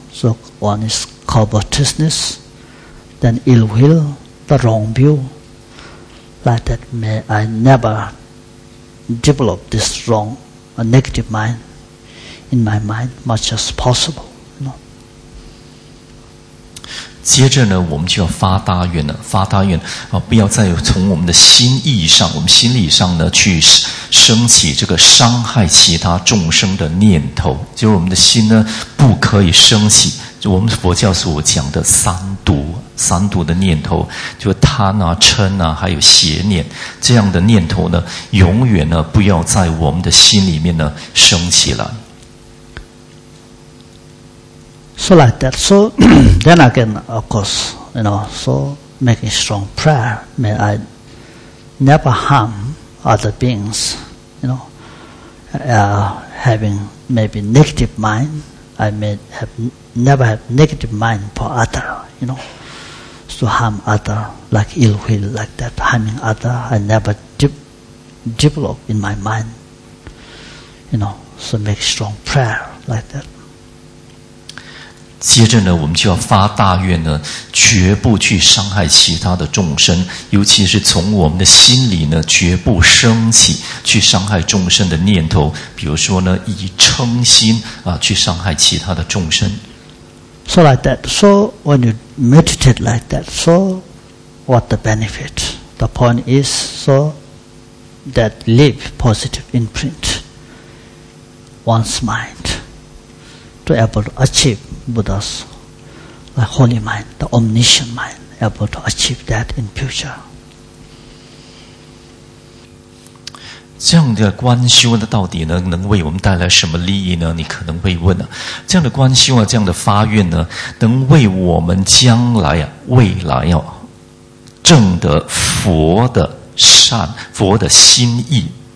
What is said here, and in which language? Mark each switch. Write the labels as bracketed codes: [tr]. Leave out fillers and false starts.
[en] So one is covetousness, then ill will, the wrong view. Like that, may I never develop this wrong or negative mind in my mind much as possible. [zh] 接着呢，我们就要发大愿了。发大愿啊，不要再从我们的心意上，我们心理上呢，去升起这个伤害其他众生的念头。就是我们的心呢，不可以升起我们佛教所讲的三毒，三毒的念头，就是贪啊、嗔啊，还有邪念这样的念头呢，永远呢，不要在我们的心里面呢升起了。 [en] So like that. So then again, of course, you know, so making strong prayer, may I never harm other beings, you know, having maybe negative mind, I may have never have negative mind for other, you know, so harm other, like ill will, like that, harming other, I never develop in my mind, you know, so make strong prayer like that. [zh] 接着呢，我们就要发大愿呢，绝不去伤害其他的众生，尤其是从我们的心里呢，绝不升起去伤害众生的念头。比如说呢，以嗔心啊，去伤害其他的众生。 [en] So like that. So when you meditate like that, so what the benefit? The point is so that leave positive imprint one's mind to able to achieve. Buddha's like holy mind, the omniscient mind, able to achieve that in future. [zh] 这样的观修呢，到底呢能为我们带来什么利益呢？你可能会问啊，这样的观修啊，这样的发愿呢，能为我们将来啊，未来哦，证得佛的善，佛的心意。